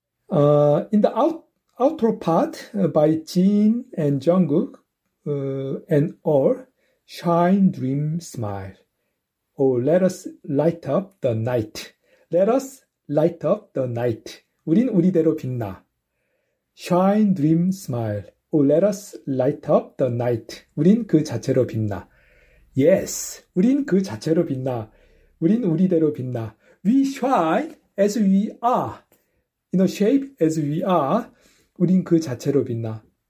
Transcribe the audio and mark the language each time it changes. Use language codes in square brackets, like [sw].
[en] In the outro part by Jin and Jungkook and all, shine, dream, smile. Oh, let us light up the night. Let us light up the night. [ko] 우린 우리대로 빛나. [en] Shine, dream, smile. Oh, let us light up the night. [ko] 우린 그 자체로 빛나. Yes, 우린 그 자체로 빛나. 우린 우리대로 빛나. [en] We shine as we are. In a shape as we are, [ko] 우린 그 자체로 빛나.